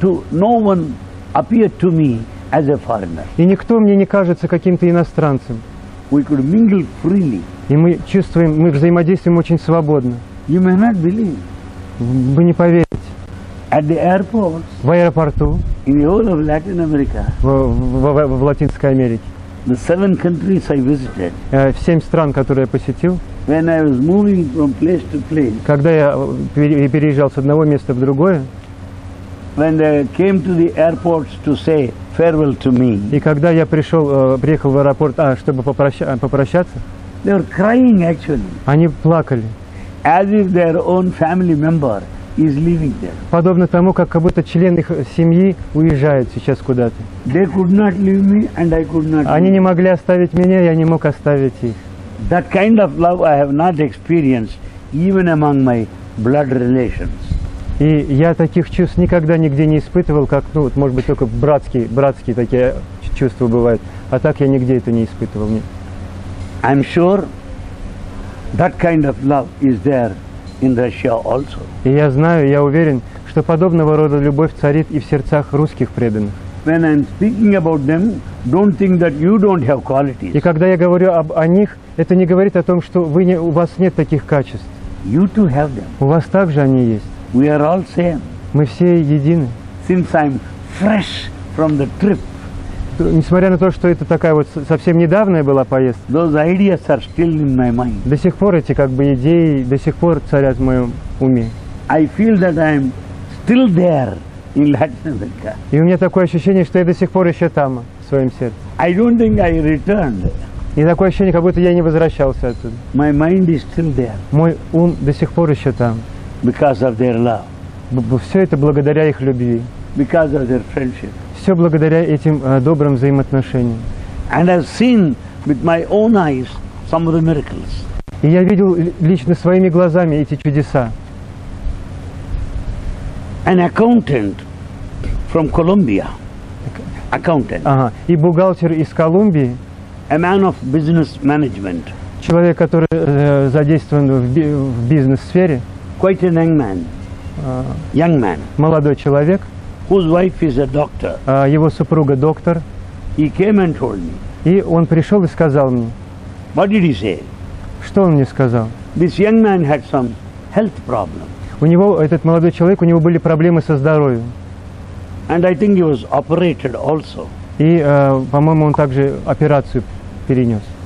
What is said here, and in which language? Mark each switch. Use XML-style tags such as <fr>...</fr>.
<en>No one appeared to me as a foreigner.</en> <ru>И никто мне не кажется каким-то иностранцем.</ru> <en>We could mingle freely.</en> <ru>И мы чувствуем, мы взаимодействуем очень свободно.</ru> <en>You may not believe.</en> <ru>Вы не поверите.</ru> <en>At the airports.</en> <ru>В аэропорту.</ru> <en>In the whole of Latin America.</en> <ru>В Латинской Америке.</ru> <en>The 7 countries I visited.</en> <ru>В 7 стран, которые я посетил.</ru> <en>When I was moving from place to place.</en> <ru>Когда я переезжал с одного места в другое.</ru> <en>When they came to the airports to say farewell to me.</en> <ru>И когда я приехал в аэропорт, чтобы попрощаться.</ru> <en>They were crying actually.</en> <ru>Они плакали.</ru> <en>As if their own family member is leaving there.</en> <ru>Подобно тому, как будто член их семьи уезжает сейчас куда-то.</ru> <en>They could not leave me, and I could not.</en> <ru>Они не могли оставить меня, я не мог оставить их.</ru> <en>That kind of love I have not experienced even among my blood relations.</en> <ru>И я таких чувств никогда нигде не испытывал, как, ну, вот, может быть, только братские такие чувства бывают. А так я нигде это не испытывал.</ru> <en>I'm sure that kind of love is there in Russia also.</en> <ru>И я знаю, я уверен, что подобного рода любовь царит и в сердцах русских преданных.</ru> <en>When I'm speaking about them, don't think that you don't have qualities.</en> <ru>И когда я говорю об о них, это не говорит о том, что вы не, у вас нет таких качеств.</ru> <en>You too have them.</en> <ru>У вас также они есть.</ru> <en>We are all same.</en> <ru>Мы все едины.</ru> <en>Since I'm fresh from the trip.</en> <ru>Несмотря на то, что это такая вот совсем недавняя была поездка.</ru> <en>Those ideas are still in my mind.</en> <ru>До сих пор эти как бы идеи до сих пор царят в моем уме.</ru> <en>I feel that I'm still there in Latin America.</en> <ru>И у меня такое ощущение, что я до сих пор еще там в своем сердце.</ru> <en>I don't think I returned.</en> <ru>И такое ощущение, как будто я не возвращался оттуда.</ru> <en>My mind is still there.</en> <ru>Мой ум до сих пор еще там.</ru> <en>Because of their love.</en> <ru>Все это благодаря их любви.</ru> <en>Because of their friendship.</en> <ru>Все благодаря этим добрым взаимоотношениям.</ru> <en>And I've seen with my own eyes some of the miracles.</en> <ru>И я видел лично своими глазами эти чудеса.</ru> <en>An accountant from Colombia. Accountant.</en> <ru>Ага. И бухгалтер из Колумбии.</ru> <en>A man of business management.</en> <ru>Человек, который задействован в бизнес-сфере.</ru> <en>Quite a young man. Young man.</en> <ru>Молодой человек.</ru> <en>Whose wife is a doctor.</en> <ru>Его супруга доктор.</ru> <en>He came and told me.</en> <ru>И он пришел и сказал мне.</ru> <en>What did he say?</en> <ru>Что он мне сказал?</ru> <en>This young man had some health problem.</en> <ru>У него, этот молодой человек, у него были проблемы со здоровьем.</ru> <en>And I think he was operated also.</en> <ru>И, по-моему, он также операцию перенес.</ru>